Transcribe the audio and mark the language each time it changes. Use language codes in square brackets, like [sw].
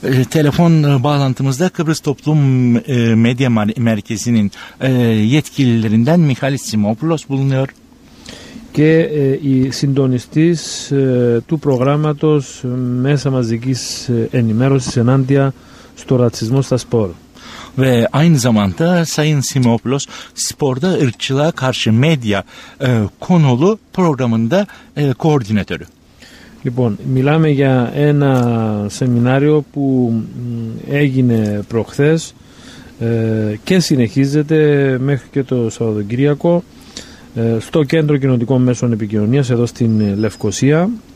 [tr] Telefon bağlantımızda Kıbrıs Toplum Medya Merkezi'nin yetkililerinden Mihalis Simopoulos bulunuyor. [el] Και η συντονιστής του προγράμματος Μέσα Μαζικής Ενημέρωσης ενάντια στο ρατσισμό στα σπορ. [tr] Ve aynı zamanda Sayın Simopoulos sporda ırkçılığa karşı medya konulu programında koordinatörü. [el] Λοιπόν, μιλάμε για ένα σεμινάριο που έγινε προχθές και συνεχίζεται μέχρι και το Σαββατοκύριακο στο Κέντρο Κοινοτικών Μέσων Επικοινωνίας εδώ στην Λευκοσία.